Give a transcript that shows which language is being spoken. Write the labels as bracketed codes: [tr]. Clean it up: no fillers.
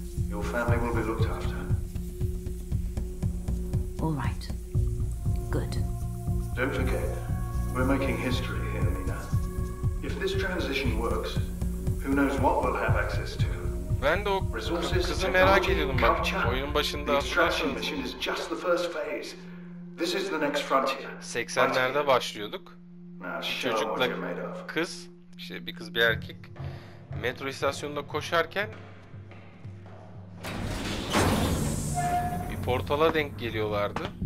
[en] Your family will be looked after. All right. Good. Don't forget, we're making history here, Mina. If this transition works, who knows what we'll have access to? [tr] Ben de o kızı merak ediyordum bak. Oyunun başında [en] extraction mission is just the first phase. This is the next frontier. [tr] 80'lerde başlıyorduk. Çocukla kız, işte bir kız bir erkek metro istasyonunda koşarken portala denk geliyorlardı.